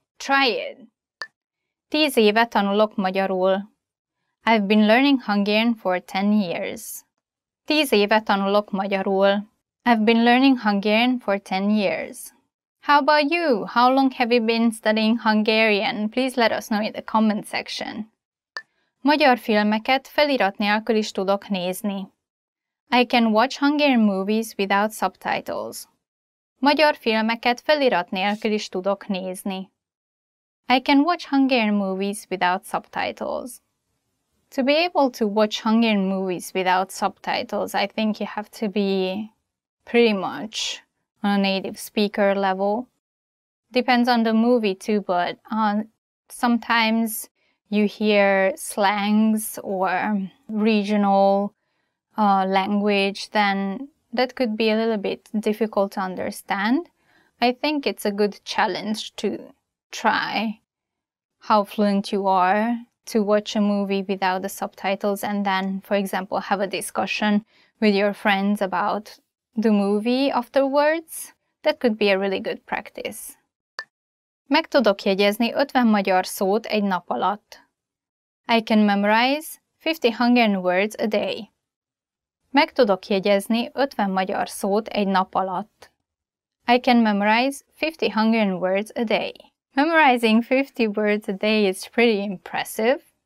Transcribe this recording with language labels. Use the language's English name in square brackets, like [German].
[English] Try it. [Hungarian] 10 éve tanulok magyarul. [English] I've been learning Hungarian for 10 years. [Hungarian] 10 éve tanulok magyarul. [English] I've been learning Hungarian for 10 years. How about you? How long have you been studying Hungarian? Please let us know in the comment section. [Hungarian] Magyar filmeket felirat nélkül is tudok nézni. [English] I can watch Hungarian movies without subtitles. [Hungarian] Magyar filmeket felirat nélkül is tudok nézni. [English] I can watch Hungarian movies without subtitles. To be able to watch Hungarian movies without subtitles, I think you have to be pretty much on a native speaker level. Depends on the movie too, but sometimes you hear slangs or regional language, then that could be a little bit difficult to understand. I think it's a good challenge to try how fluent you are to watch a movie without the subtitles and then, for example, have a discussion with your friends about the movie afterwards. That could be a really good practice. [Hungarian] Meg tudok jegyezni 50 magyar szót egy nap alatt. [English] I can memorize 50 Hungarian words a day. [Hungarian] Meg tudok jegyezni 50 magyar szót egy nap alatt. [English] I can memorize 50 Hungarian words a day. Memorizing 50 words a day is pretty impressive.